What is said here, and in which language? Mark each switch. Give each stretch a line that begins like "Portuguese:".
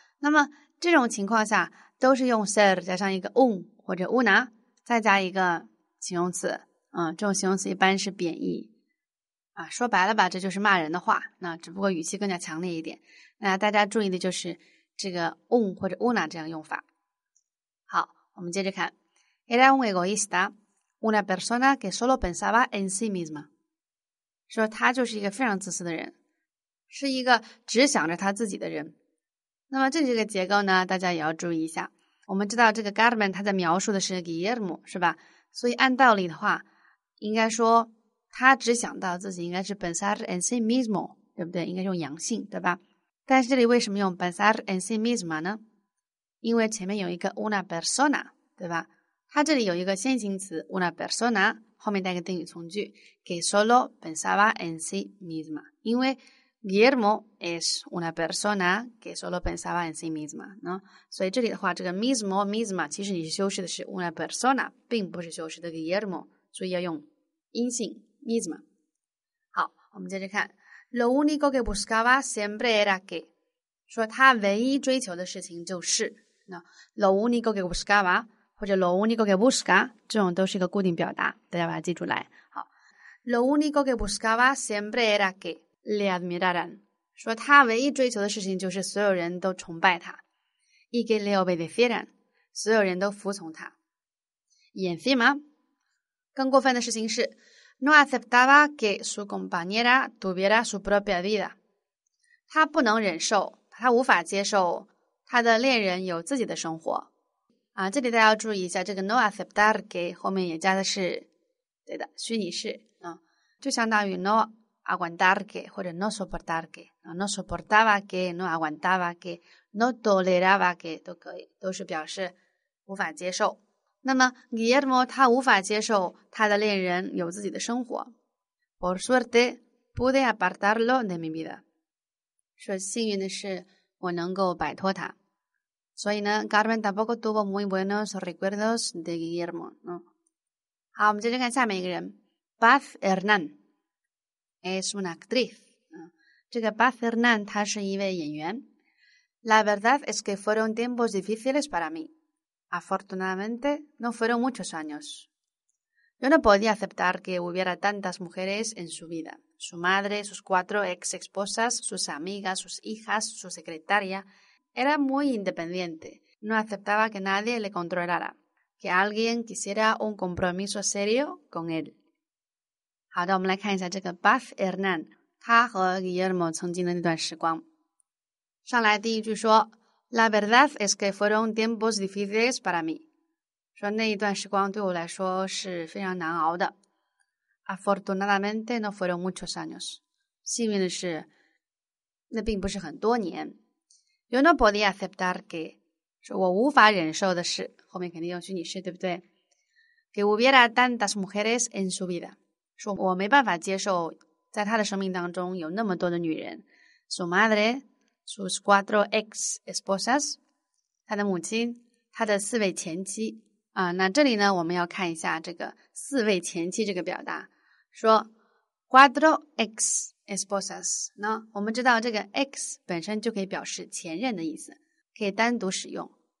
Chinese: 那么这种情况下都是用 ser 加上一个 un 或者 una， 再加一个形容词。这种形容词一般是贬义。啊，说白了吧，这就是骂人的话，那只不过语气更加强烈一点。那大家注意的就是这个 un 或者 una 这样用法。好，我们接着看。
Spanish: Era un egoísta, una persona que solo pensaba en sí misma.
Chinese: 说他就是一个非常自私的人，是一个只想着他自己的人。那么这个结构呢，大家也要注意一下。我们知道这个 Carmen 他在描述的是 Guillermo, 是吧？所以按道理的话，应该说他他只想到自己应该是
Spanish: pensar en sí mismo,
Chinese: 对不对？应该用阳性，对吧？但是这里为什么用
Spanish: pensar en sí misma
Chinese: 呢？因为前面有一个 una persona, 对吧？他这里有一个先行词 una persona, 后面带个定语从句
Spanish: que solo pensaba en sí misma,
Chinese: 因为
Spanish: Guillermo es una persona que solo pensaba en sí misma, ¿no?
Chinese: 所以这里的话，这个 mismo, misma, 其实你修饰的是 una persona, 并不是修饰的 Guillermo, 所以要用阴性 misma. 好，我们接着看。
Spanish: Lo único que buscaba siempre era que,
Chinese: 说他唯一追求的事情就是
Spanish: ,no? Lo único que buscaba,
Chinese: 或者
Spanish: lo único que busca,
Chinese: 这种都是一个固定表达，大家把它记住来。好。
Spanish: Lo único que buscaba siempre era que,le admiraran,
Chinese: 说他唯一追求的事情就是所有人都崇拜他
Spanish: y que le obedecieran,
Chinese: 所有人都服从他
Spanish: y encima,
Chinese: 更过分的事情是
Spanish: no aceptaba que su compañera tuviera su propia vida,
Chinese: 他不能忍受他无法接受他的恋人有自己的生活啊，这里大家要注意一下这个
Spanish: no aceptar que
Chinese: 后面也加的是对的虚拟式、啊、就相当于 noAguantar que, 或者
Spanish: no soportar que, no soportaba que, no aguantaba que, no toleraba que,
Chinese: 都可以，都是表示无法接受。那么 Guillermo 他无法接受他的恋人有自己的生活。
Spanish: Por suerte, pude apartarlo de mi vida.
Chinese: 说幸运的是我能够摆脱他。
Spanish: 所以呢 Carmen tampoco tuvo muy buenos recuerdos de Guillermo. ¿No?
Chinese: 好，我们接着看下面一个人 Paz Hernán.
Spanish: Es una actriz.
Chinese: 这个 Paz Hernán, 她是一位演员。
Spanish: La verdad es que fueron tiempos difíciles para mí. Afortunadamente, no fueron muchos años. Yo no podía aceptar que hubiera tantas mujeres en su vida. Su madre, sus cuatro ex-esposas, sus amigas, sus hijas, su secretaria. Era muy independiente. No aceptaba que nadie le controlara. Que alguien quisiera un compromiso serio con él.
Chinese: 好的，我们来看一下这个 Buff Hernan， 他和 Guillermo 曾经的那段时光。上来第一句说 ，
Spanish: La verdad es que fueron tiempos difíciles para mí，
Chinese: 说那一段时光对我来说是非常难熬的。
Spanish: Afortunadamente no fueron muchos años，
Chinese: 幸运的是，那并不是很多年。
Spanish: Yo no podía aceptar que，
Chinese: 说我无法忍受的是，后面肯定用虚拟式，对不对 ？
Spanish: Que hubiera tantas mujeres en su vida。
Chinese: 说我没办法接受在他的生命当中有那么多的女人
Spanish: su madre, sus cuatro ex esposas,
Chinese: 他的母亲他的四位前妻啊，那这里呢我们要看一下这个四位前妻这个表达说
Spanish: cuatro ex esposas,
Chinese: 那我们知道这个 ex 本身就可以表示前任的意思可以单独使用